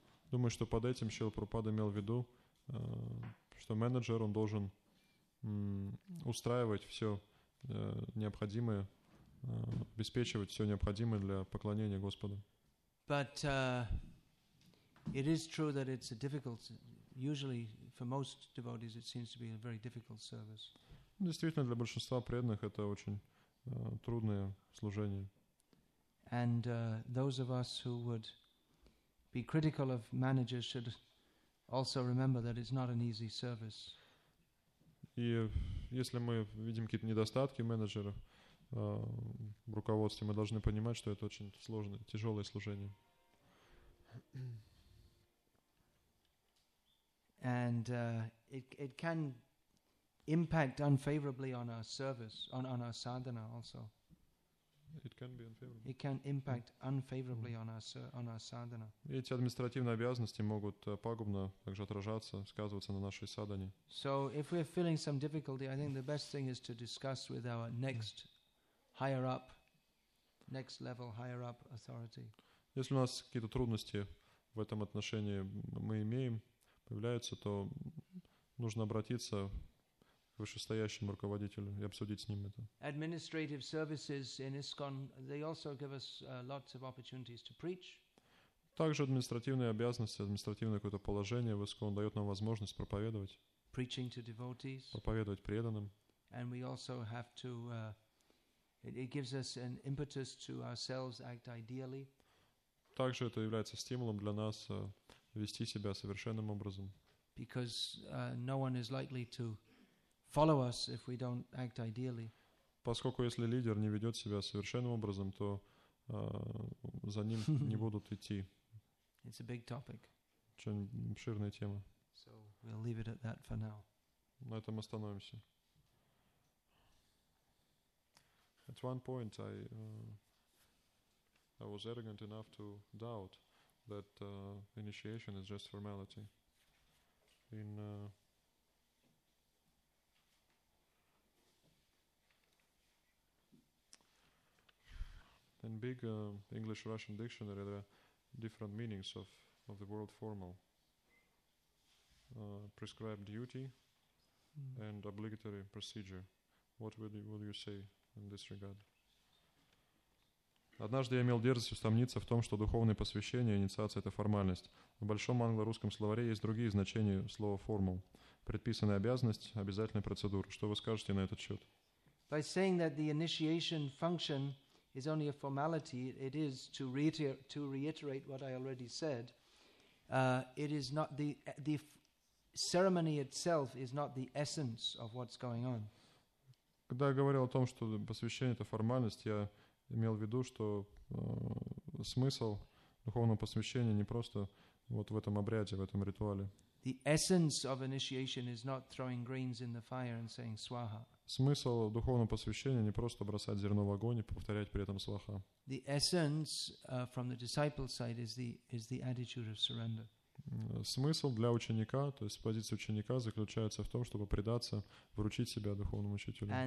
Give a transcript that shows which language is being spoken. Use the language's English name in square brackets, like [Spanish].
[Russian] Думаю, что под этим Шрила Прабхупада имел в виду, что менеджер, он должен устраивать все необходимое, обеспечивать все необходимое для поклонения Господу. [English] But it is true that it's a difficult, usually for most devotees it seems to be a very difficult service. [Russian] Действительно, для большинства преданных это очень трудное служение. [English] And those of us who would be critical of managers should also remember that it's not an easy service. [Russian] И если мы видим какие-то недостатки менеджеров, в руководстве, мы должны понимать, что это очень сложное, тяжелое служение. [English] And it can impact unfavorably on our service, on our sadhana also. It can be unfavorable. It can impact unfavorably on our sadhana. [Russian] Эти административные обязанности могут пагубно также отражаться, сказываться на нашей садхане. [English] So if we're feeling some difficulty, I think the best thing is to discuss with our next higher up, next level, higher up authority. [Russian] Если у нас какие-то трудности в этом отношении мы имеем, появляются, то нужно обратиться к вышестоящему руководителю и обсудить с ним это. [English] Administrative services in ISKCON, they also give us lots of opportunities to preach. [Russian] Также административные обязанности, административное какое-то положение в ISKCON дает нам возможность проповедовать. [English] Preaching to devotees. [Russian] Проповедовать преданным. [English] And we also have to It gives us an impetus to ourselves act ideally. [Russian] Также это является стимулом для нас вести себя совершенным образом. [English] Because no one is likely to follow us if we don't act ideally. [Russian] Поскольку если лидер не ведет себя совершенным образом, то за ним не будут идти. [English] It's a big topic. [Russian] Очень обширная тема. [English] So we'll leave it at that for now. [Russian] На этом остановимся. [English] At one point, I was arrogant enough to doubt that initiation is just formality. In big English-Russian dictionary, there are different meanings of the word formal. Prescribed duty and obligatory procedure. What would you say? [Russian] Однажды я имел дерзость усомниться в том, что духовное посвящение и инициация – это формальность. В большом англо-русском словаре есть другие значения слова «формул». Предписанная обязанность – обязательная процедура. Что вы скажете на этот счет? [English] By saying that the initiation function is only a formality, it is, to reiterate what I already said, it is not the ceremony itself is not the essence of what's going on. [Russian] Когда я говорил о том, что посвящение – это формальность, я имел в виду, что смысл духовного посвящения не просто вот в этом обряде, в этом ритуале. [English] The essence of initiation is not throwing grains in the fire and saying swaha. [Russian] Смысл духовного посвящения не просто бросать зерно в огонь и повторять при этом сваха. [English] The essence from the disciple side is the attitude of surrender. [Russian] Смысл для ученика, то есть позиция ученика заключается в том, чтобы предаться, вручить себя духовному учителю